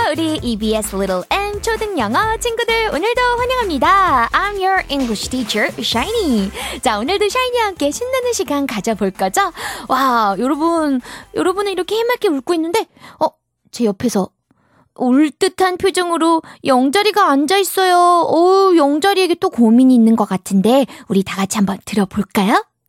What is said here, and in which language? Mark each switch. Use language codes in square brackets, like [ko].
[ko] 우리 EBS Little N 초등 영어 친구들 오늘도 환영합니다. [en] I'm your English teacher, Shiny. [ko] 자, 오늘도 Shiny와 함께 신나는 시간 가져볼 거죠? 와, 여러분은 이렇게 해맑게 웃고 있는데 제 옆에서 울 듯한 표정으로 영자리가 앉아 있어요. 영자리에게 또 고민이 있는 것 같은데 우리 다 같이 한번 들어볼까요?